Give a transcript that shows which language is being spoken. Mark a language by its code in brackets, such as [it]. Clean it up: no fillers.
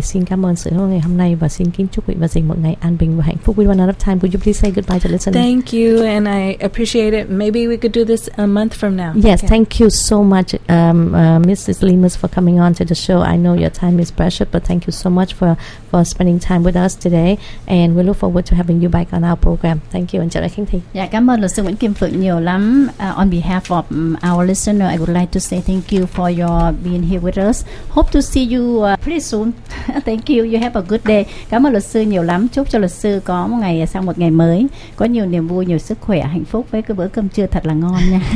[vi] Xin cảm ơn sự hỗ trợ ngày hôm nay và xin kính chúc quý vị và dành một ngày an bình và hạnh phúc. [en] We run out of time. Would you please say goodbye to listeners? Thank you and I appreciate it. Maybe we could do this a month from now. Yes, okay. Thank you so much Mrs. Limas for coming on to the show. I know your time is precious, but thank you so much for spending time with us today and we look forward to having you back on our program. Thank you. [vi] Chào Khánh Thi. Dạ, cảm ơn luật sư Nguyễn Kim Phượng nhiều lắm. [en] On behalf of our listener, I would like to say thank you for your being here with us. Hope to see you pretty soon. Thank you. You have a good day. [vi] Cảm ơn luật sư nhiều lắm. Chúc cho luật sư có một ngày sang một ngày mới có nhiều niềm vui, nhiều sức khỏe, hạnh phúc với cái bữa cơm trưa thật là ngon nha.